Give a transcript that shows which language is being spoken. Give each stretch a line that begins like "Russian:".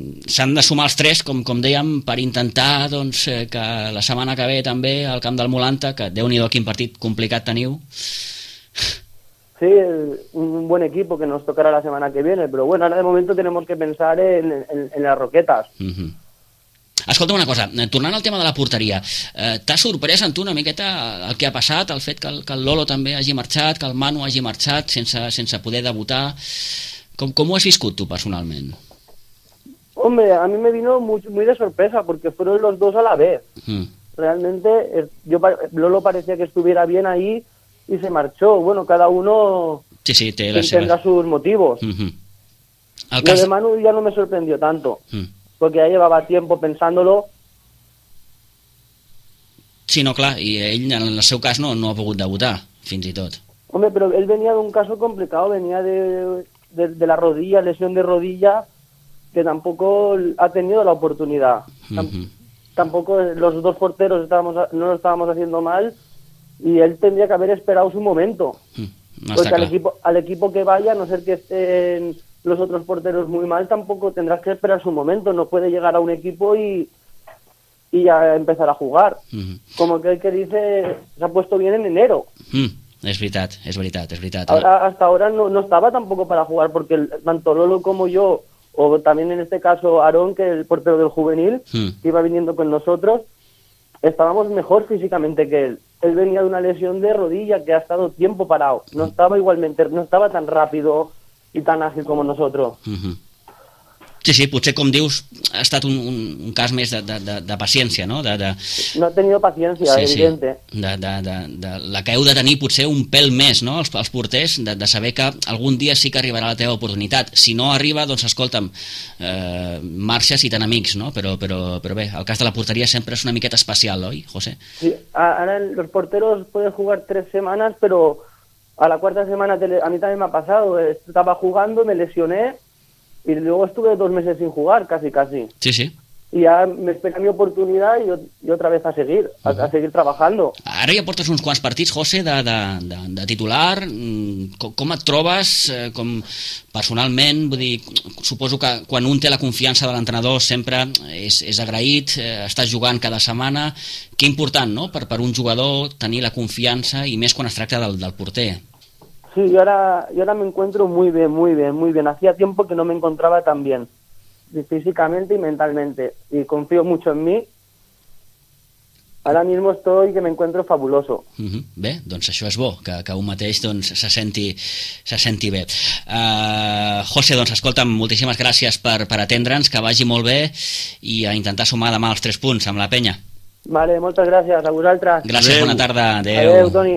Catalan: S'han de sumar els tres, com dèiem, per intentar doncs, que la setmana que ve també al camp del Molanta, que déu-n'hi-do quin partit complicat teniu.
Spanish: Sí, un buen equipo que nos tocará la semana que viene, pero bueno, ahora de momento tenemos que pensar en las Roquetas.
Catalan: Escolta'm una cosa, tornant al tema de la porteria, t'ha sorprès en tu una miqueta el que ha passat, el fet que el Lolo també hagi marxat, que el Manu hagi marxat sense poder debutar? Com ho has viscut tu personalment?
Spanish: Hombre, a mí me vino muy de sorpresa porque fueron los dos a la vez. Realmente, Lolo parecía que estuviera bien ahí y se marchó. Bueno, cada uno sí, tendrá sus motivos. De Manu ya no me sorprendió tanto. Porque ya llevaba tiempo pensándolo.
Catalan: Sí, no, clar, i ell en el seu cas no ha pogut debutar, fins i tot.
Spanish: Hombre, pero él venía de un caso complicado, venía de la rodilla, lesión de rodilla, que tampoco ha tenido la oportunidad. Tampoco los dos porteros no lo estábamos haciendo mal y él tendría que haber esperado su momento. Porque al equipo que vaya, a no ser que estén los otros porteros muy mal, tampoco tendrás que esperar su momento. No puede llegar a un equipo y ya empezar a jugar. Como que el que dice, se ha puesto bien en enero. Es verdad. Hasta ahora no estaba tampoco para jugar, porque tanto Lolo como yo, o también en este caso Aarón, que es el portero del juvenil, que iba viniendo con nosotros, estábamos mejor físicamente que él. Él venía de una lesión de rodilla que ha estado tiempo parado. No estaba igualmente, no estaba tan rápido y tan ágil como nosotros.
Catalan: Sí, potser com dius, ha estat un cas més de paciència, no?
Spanish: No ha tenido paciencia, sí, evidente. Sí.
Catalan: La que heu de tenir potser un pèl més, no? Els porters, de saber que algun dia sí que arribarà la teva oportunitat. Si no arriba, doncs escolta'm, marxes i tan amics, no? Però bé, el cas de la porteria sempre és una miqueta especial, oi, José?
Spanish: Sí, ara los porteros pueden jugar 3 semanas, pero a la 4ª semana, a mí también me ha pasado, estaba jugando, me lesioné, y luego estuve 2 meses sin jugar, casi. Sí, sí. Y ya me espera mi oportunidad y otra vez a seguir, a seguir trabajando.
Catalan: Ara ja portes uns quants partits, José, de titular. Com et trobes com personalment? Vull dir, suposo que quan un té la confiança de l'entrenador sempre és agraït, estàs jugant cada setmana. Que important, no?, per un jugador tenir la confiança, i més quan es tracta del porter.
Spanish: Sí, yo ahora me encuentro muy bien, muy bien, muy bien. Hacía tiempo que no me encontraba tan bien, físicamente y mentalmente. Y confío mucho en mí. Ara mismo estoy que me encuentro fabuloso.
Catalan: Bé, doncs això és bo, que un mateix doncs, se senti bé. José, doncs escolta'm, moltíssimes gràcies per atendre'ns, que vagi molt bé, i a intentar sumar demà els 3 punts amb la penya. Vale, moltes gràcies a vosaltres. Gràcies, adeu. Bona tarda. Adéu, Toni.